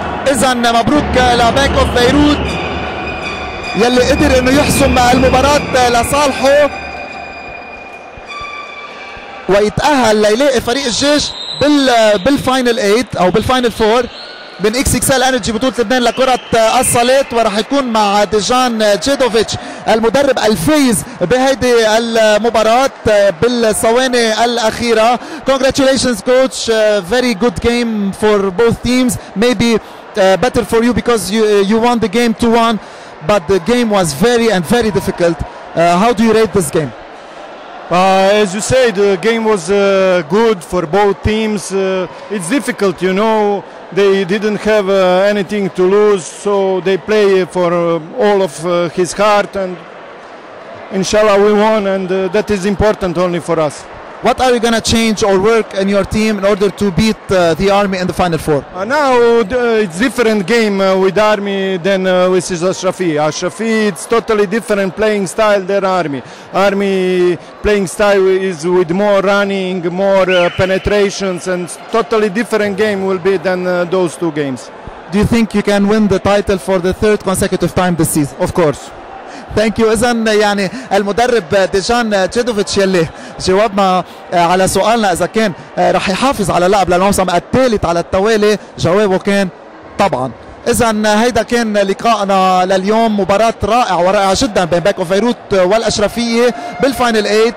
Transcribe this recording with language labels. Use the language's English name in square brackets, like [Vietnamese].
[Arabic] إذا مبروك لبنك اوف بيروت يلي قدر إنه يحسم المباراة لصالحه ويتأهل ليلاقي فريق الجيش بالفاينل 8 او بالفاينل 4 من XXL انرجي بطولة لبنان لكرة الصالات، وراح يكون مع ديجان جيدوفيتش المدرب الفايز بهيدي المباراة بالثواني الاخيرة. [English] Congratulations coach, very good game for both teams, maybe better for you because you won the game 2-1 but the game was very and very difficult. How do you rate this game? As you say, the game was good for both teams. It's difficult, you know, they didn't have anything to lose, so they play for all of his heart, and inshallah we won, and that is important only for us. What are you going to change or work in your team in order to beat the Army in the Final Four? Now it's different game with Army than with Achrafieh. Achrafieh, it's totally different playing style than Army. Army playing style is with more running, more penetrations, and totally different game will be than those two games. Do you think you can win the title for the third consecutive time this season? Of course. Thank you. [Arabic] إذن يعني المدرب ديجان جيدوفيتش يلي جوابنا على سؤالنا إذا كان رح يحافظ على اللقب للموسم الثالث على التوالي، جوابه كان طبعا. إذن هيدا كان لقاءنا لليوم، مباراة رائعة ورائعة جدا بين بيك اوف بيروت والأشرفية بالفاينل 8.